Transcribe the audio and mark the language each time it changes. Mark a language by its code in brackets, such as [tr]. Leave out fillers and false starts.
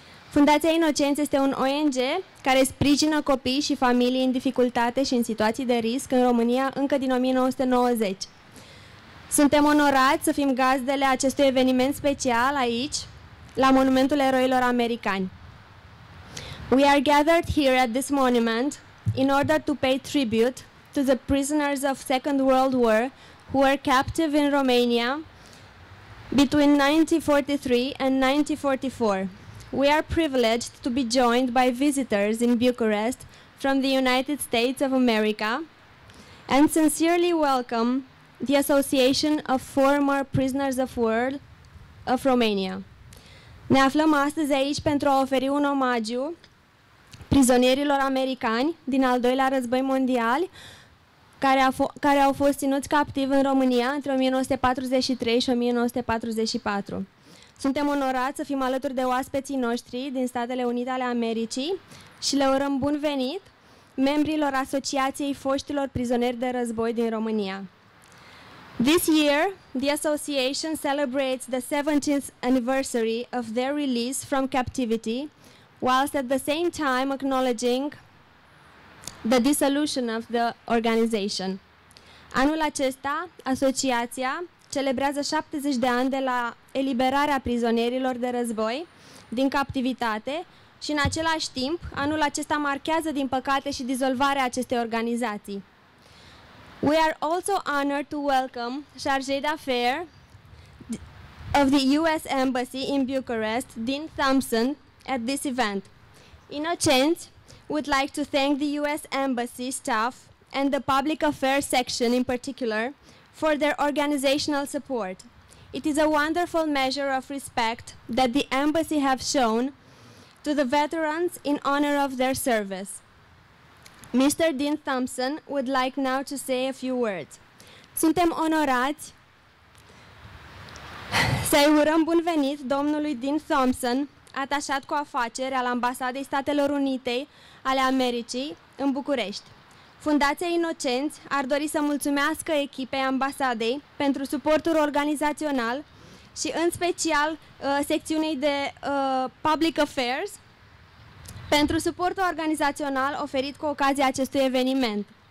[ro] Fundația Innocence este un ONG care sprijină copii și familii în dificultate și în situații de risc în România încă din 1990. Suntem onorați să fim gazdele acestui eveniment special aici, la Monumentul Eroilor Americani. [en] We are gathered here at this monument in order to pay tribute to the prisoners of Second World War who were captive in Romania between 1943 and 1944. We are privileged to be joined by visitors in Bucharest from the United States of America and sincerely welcome the Association of Former Prisoners of War of Romania. [ro] Ne aflăm astăzi aici pentru a oferi un omagiu prizonierilor americani din al doilea război mondial care au fost ținuți captivi în România între 1943 și 1944. Suntem onorați să fim alături de oaspeții noștri din Statele Unite ale Americii și le urăm bun venit membrilor Asociației Foștilor Prizonieri de Război din România. [en] This year, the association celebrates the 17th anniversary of their release from captivity, whilst at the same time acknowledging the dissolution of the organization. [ro] Anul acesta, asociația celebrează 70 de ani de la eliberarea prizonierilor de război din captivitate și în același timp, anul acesta marchează, din păcate, și dizolvarea acestei organizații. [en] We are also honored to welcome Chargé d'Affaires of the U.S. Embassy in Bucharest, Dean Thompson, at this event. Innocence would like to thank the U.S. Embassy staff and the Public Affairs section in particular for their organizational support. It is a wonderful measure of respect that the Embassy have shown to the veterans in honor of their service. Mr. Dean Thompson would like now to say a few words. [ro] Suntem onorați să-i urăm bun venit domnului Dean Thompson, atașat cu afaceri al Ambasadei Statelor Unite ale Americii în București. Fundația Innocence ar dori să mulțumească echipei ambasadei pentru suportul organizațional și în special secțiunii de Public Affairs pentru suportul organizațional oferit cu ocazia acestui eveniment.